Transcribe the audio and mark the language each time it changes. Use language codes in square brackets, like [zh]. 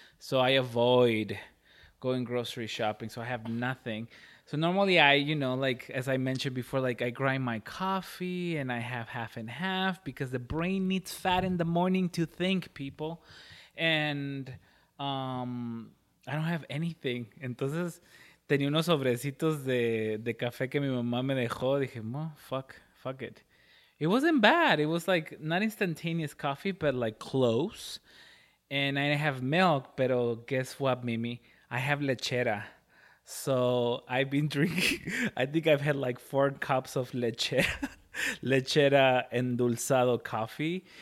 [en] So I avoid going grocery shopping. So I have nothing. So normally I, you know, like, as I mentioned before, like I grind my coffee and I have half and half because the brain needs fat in the morning to think, people. And I don't have anything. [es] Entonces, tenía unos sobrecitos de café que mi mamá me dejó. Dije, [en] well, fuck it. It wasn't bad. It was like not instantaneous coffee, but like close. And I have milk, [es] pero [en] guess what, Mimi? I have lechera. So I've been drinking, I think I've had like 4 cups of lechera endulzado coffee.